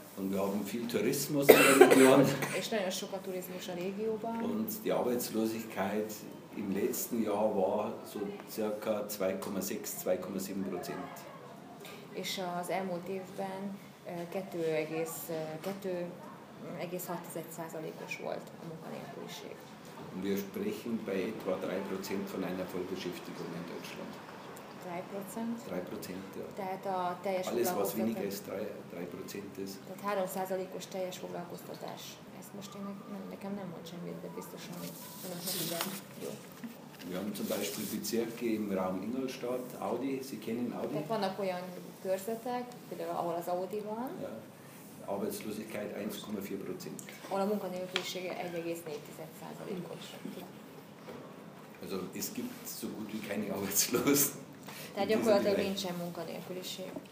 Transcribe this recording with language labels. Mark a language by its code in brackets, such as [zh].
[de] Und wir haben viel Tourismus in der Region. [hu] És nagyon sok a turizmus a régióban. [de] Und die Arbeitslosigkeit im letzten Jahr war so circa 2,6-2,7%. [hu] És az elmúlt évben 2,6%-os volt a munkanélküliség. [de] Und wir sprechen bei etwa 3% von einer Vollbeschäftigung in Deutschland. 3%? 3%, ja. Alles, was weniger als 3% ist. [hu] Tehát 3%-os teljes foglalkoztatás. Ezt most én nekem nem mond semmit, de biztosan nem tudom. Jó. [de] Wir haben zum Beispiel Bezirke im Raum Ingolstadt, Audi, Sie kennen Audi? [hu] Tehát vannak olyan körzetek, például ahol az Audi van. [de] Ja. Arbeitslosigkeit 1,4%. [hu] Ahol a munkanélküliség 1,4%-os. [de] Also es gibt so gut wie keine Arbeitslosen. [hu] Tehát gyakorlatilag nincsen munkanélküliség.